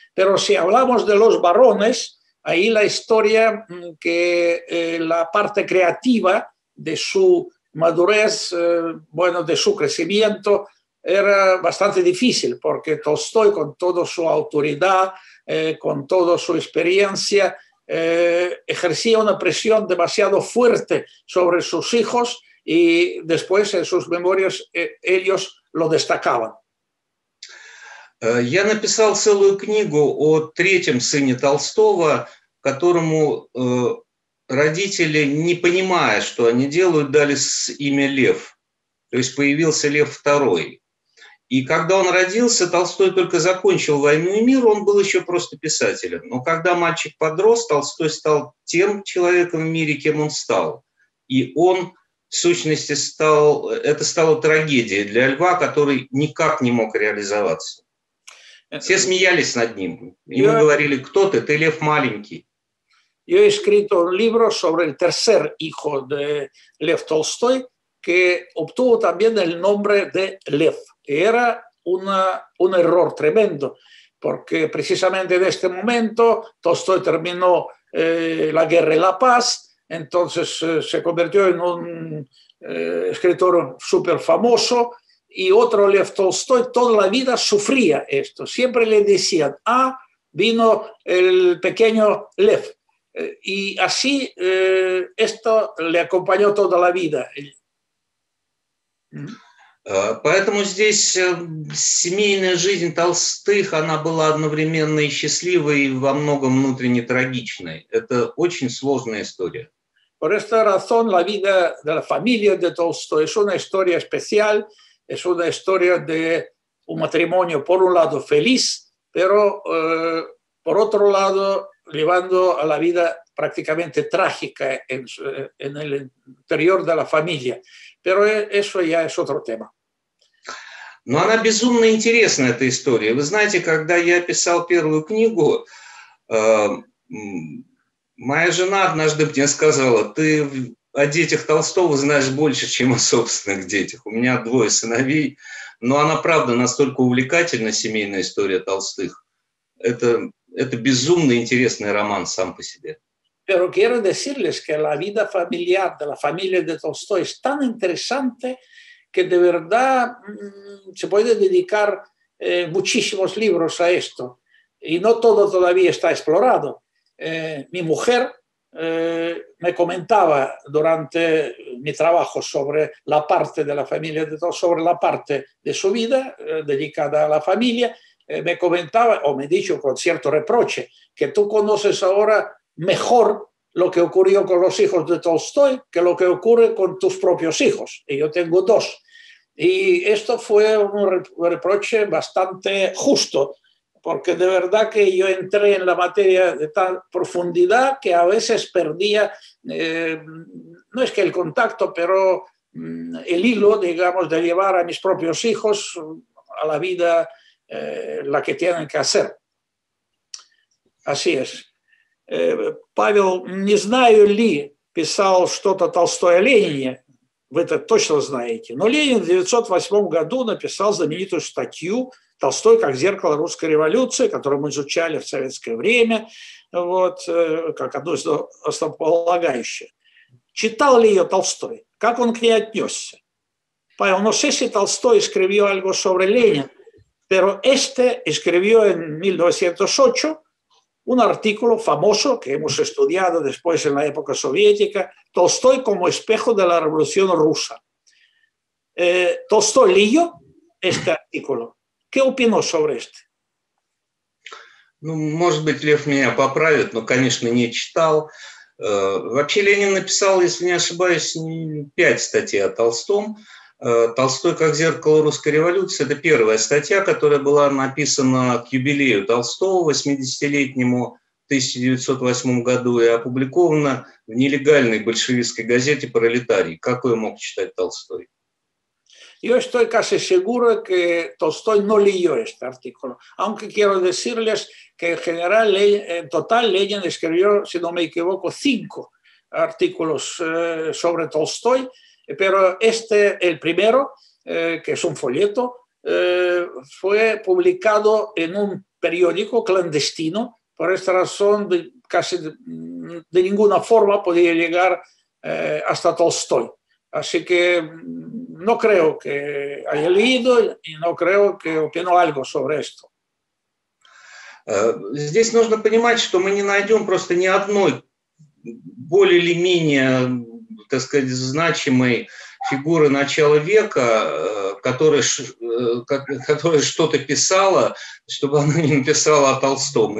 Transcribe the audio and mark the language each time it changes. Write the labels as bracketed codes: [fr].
[es] Pero si hablamos de los varones, ahí la historia, que la parte creativa de su madurez, bueno, de su crecimiento, era bastante difícil, porque Tolstoy, con toda su autoridad, con toda su experiencia, ejercía una presión demasiado fuerte sobre sus hijos, y después en sus memorias ellos lo destacaban. [ru] Я написал целую книгу о третьем сыне Толстого, которому родители, не понимая, что они делают, дали имя Лев. То есть появился Лев II. И когда он родился, Толстой только закончил «Войну и мир», он был еще просто писателем. Но когда мальчик подрос, Толстой стал тем человеком в мире, кем он стал. И он, в сущности, стал... Это стало трагедией для Льва, который никак не мог реализоваться. Все смеялись над ним. Ему говорили: «Кто ты? Ты Лев маленький». [es] Yo he escrito un libro sobre el tercer hijo de Lev Tolstoy, que obtuvo también el nombre de Lev. Era un error tremendo, porque precisamente en este momento Tolstoy terminó la guerra y la paz, entonces se convirtió en un escritor súper famoso, y otro Lev Tolstoy toda la vida sufría esto. Siempre le decían: «Ah, vino el pequeño Lev». Y así esto le acompañó toda la vida. [ru] Поэтому здесь семейная жизнь Толстых, она была одновременно и счастливой, и во многом внутренне трагичной. Это очень сложная история. [es] Por esta razón, la vida de la familia de Tolstoy es una historia especial, es una historia de un matrimonio, por un lado, feliz, pero por otro lado, llevando a la vida prácticamente trágica en el interior de la familia. Pero eso ya es otro tema. [ru] Но она безумно интересна, эта история. Вы знаете, когда я писал первую книгу, моя жена однажды мне сказала: «Ты о детях Толстого знаешь больше, чем о собственных детях. У меня двое сыновей». Но она правда настолько увлекательна, семейная история Толстых. Это безумно интересный роман сам по себе. [es] Pero quiero decirles que la vida familiar de la familia de Tolstoy es tan interesante que de verdad se puede dedicar muchísimos libros a esto. Y no todo todavía está explorado. Mi mujer me comentaba durante mi trabajo sobre la parte de la familia de Tolstoy, sobre la parte de su vida dedicada a la familia, me comentaba, o me dijo con cierto reproche, que tú conoces ahora mejor lo que ocurrió con los hijos de Tolstoy que lo que ocurre con tus propios hijos, y yo tengo dos. Y esto fue un reproche bastante justo, porque de verdad que yo entré en la materia de tal profundidad que a veces perdía, no es que el contacto, pero el hilo, digamos, de llevar a mis propios hijos a la vida la que tienen que hacer. Así es. [ru] Павел, не знаю ли, писал что-то Толстой о Ленине, вы это точно знаете, но Ленин в 1908 году написал знаменитую статью «Толстой как зеркало русской революции», которую мы изучали в советское время, вот, как одно из основополагающих. Читал ли ее Толстой? Как он к ней отнесся? [es] Павел, [ru] но если [es] Толстой escribió algo sobre Ленин, pero este escribió en 1908 un artículo famoso que hemos estudiado después en la época soviética, «Толстой como espejo de la revolución rusa». ¿Толстой leyó este artículo? ¿Qué opinó sobre este? [ru] Ну, может быть, Лев меня поправит, но, конечно, не читал. Вообще, Ленин написал, если не ошибаюсь, 5 статей о Толстом. «Толстой как зеркало русской революции» – это первая статья, которая была написана к юбилею Толстого, 80-летнему, в 1908 году, и опубликована в нелегальной большевистской газете «Пролетарий». Как ее мог читать Толстой? [es] Yo estoy casi seguro que Tolstoy no leyó este artículo, aunque quiero decirles que en general, en total, Lenin escribió, si no me equivoco, 5 artículos sobre Tolstoy, pero este, el primero, que es un folleto, fue publicado en un periódico clandestino. Por esta razón, casi de ninguna forma podía llegar hasta Tolstoy. Así que no creo que haya leído y no creo que opinó algo sobre esto. [ru] Здесь нужно понимать, что мы не найдем просто ни одной более или менее, так сказать, значимой фигуры начала века, которая что-то писала, чтобы она не написала о Толстом.